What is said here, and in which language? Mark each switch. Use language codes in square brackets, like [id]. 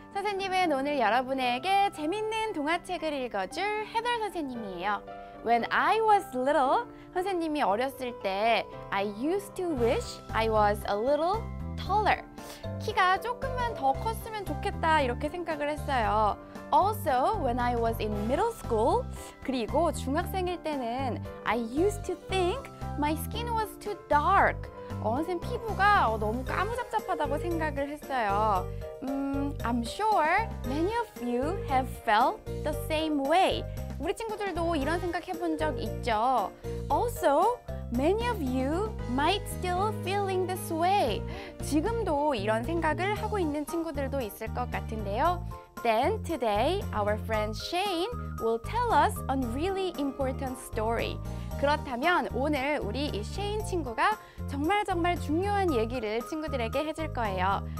[ko] 선생님은 오늘 여러분에게 재밌는 동화책을 읽어줄 Heather 선생님이에요. [en] When I was little, [ko] 선생님이 어렸을 때 [en] I used to wish I was a little taller. [ko] 키가 조금만 더 컸으면 좋겠다 이렇게 생각을 했어요. [en] Also, when I was in middle school, [ko] 그리고 중학생일 때는 [en] I used to think my skin was too dark. [ko] 선생님 피부가 너무 까무잡잡하다고 생각을 했어요. [en] I'm sure many of you have felt the same way. [ko] 우리 친구들도 이런 생각 해본 적 있죠? [en] Also, many of you might still feeling this way. [ko] 지금도 이런 생각을 하고 있는 친구들도 있을 것 같은데요. [en] Then today, our friend Shane will tell us a really important story. [ko] 그렇다면 오늘 우리 이 Shane 친구가 정말 정말 중요한 얘기를 친구들에게 해줄 거예요.